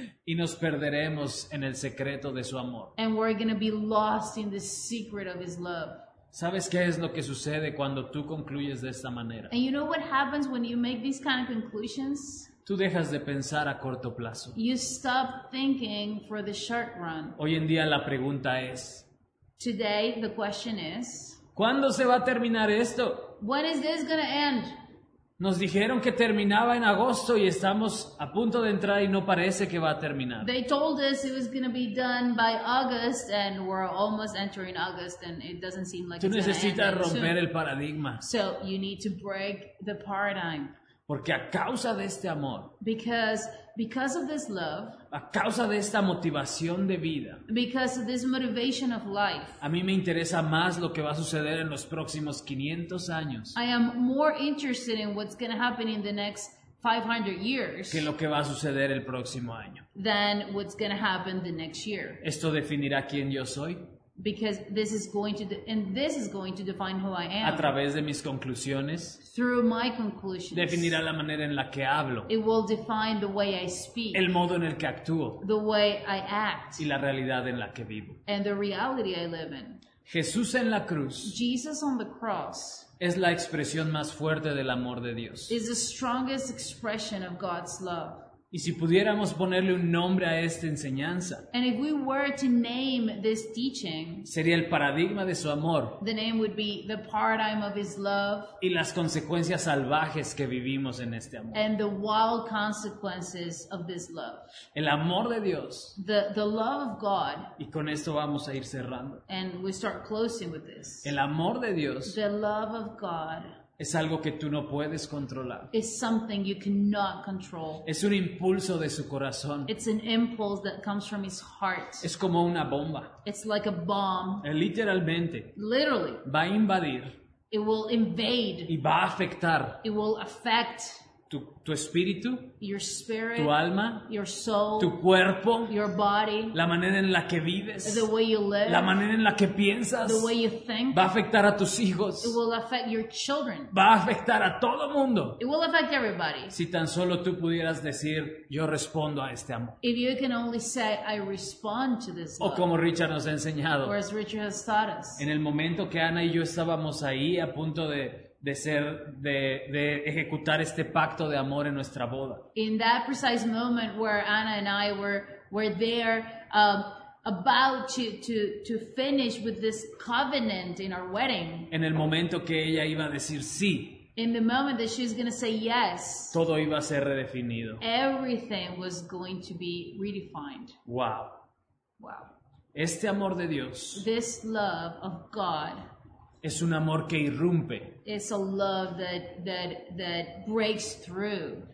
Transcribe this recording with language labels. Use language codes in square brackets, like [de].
[es] Y nos perderemos en el secreto de su amor. [en] And we're going to be lost in the secret of his love. [es] ¿Sabes qué es lo que sucede cuando tú concluyes de esta manera? [en] And you know what happens when you make these kind of conclusions? [es] Tú dejas de pensar a corto plazo. [en] You stop thinking for the short run. [es] Hoy en día la pregunta es. [en] Today the question is. [es] ¿Cuándo se va a terminar esto? [en] When is this going to end? [es] Nos dijeron que terminaba en agosto y estamos a punto de entrar y no parece que va a terminar. [en] They told us it was going to be done by August and we're almost entering August and it doesn't seem like [es] Tú [en] it's going to end. [es] Tú necesitas romper el paradigma. [en] So you need to break the paradigm. [es] Porque a causa de este amor, [en] because of this love, [es] a causa de esta motivación de vida, [en] because of this motivation of life, [es] a mí me interesa más lo que va a suceder en los próximos 500 años. [en] I am more interested in what's going to happen in the next 500 years [es] que lo que va a suceder el próximo año. [en] Than what's going to happen the next year. [es] Esto definirá quién yo soy. [en] Because this is going to define who I am. [es] A través de mis conclusiones. [en] Through my conclusions. [es] Definirá la manera en la que hablo. [en] It will define the way I speak. [es] El modo en el que actúo. [en] The way I act. [es] Y la realidad en la que vivo. [en] And the reality I live in. [es] Jesús en la cruz. [en] Jesus on the cross. [es] Es la expresión más fuerte del amor de Dios. [en] Is the strongest expression of God's love. [es] Y si pudiéramos ponerle un nombre a esta enseñanza, [en] and if we were to name this teaching, [es] sería el paradigma de su amor, [en] the name would be the paradigm of his love, [es] y las consecuencias salvajes que vivimos en este amor, [en] and the wild consequences of this love, [es] el amor de Dios, [en] the love of God, [es] y con esto vamos a ir cerrando, [en] and we start closing with this, [es] el amor de Dios, [en] the love of God. [es] Es algo que tú no puedes controlar. [en] It's something you cannot control. [es] Es un impulso de su corazón. [en] It's an impulse that comes from his heart. [es] Es como una bomba. [en] It's like a bomb. [es] Literalmente. [en] Literally. [es] Va a invadir. [en] It will invade. [es] Y va a afectar. [en] It will affect. [es] Tu espíritu, [en] your spirit, [es] tu alma, [en] your soul, [es] tu cuerpo, [en] your body, [es] la manera en la que vives, [en] the way you live, [es] la manera en la que piensas, [en] the way you think, [es] va a afectar a tus hijos, [en] it will affect your children, [es] va a afectar a todo mundo, [en] it will affect everybody. [es] Si tan solo tú pudieras decir, yo respondo a este amor. [en] If you can only say, I respond to this love. [es] O como Richard nos ha enseñado. [en] Or as Richard has taught us. [es] En el momento que Ana y yo estábamos ahí a punto de de ejecutar este pacto de amor en nuestra boda. [en] In that precise moment where Anna and I were there about to finish with this covenant in our wedding. [es] En el momento que ella iba a decir sí. [en] In the moment that she's going to say yes. [es] Todo iba a ser redefinido. [en] Everything was going to be redefined. Wow. Wow. [es] Este amor de Dios. [en] This love of God. [es] Es un amor que irrumpe. [en] It's a love that breaks through.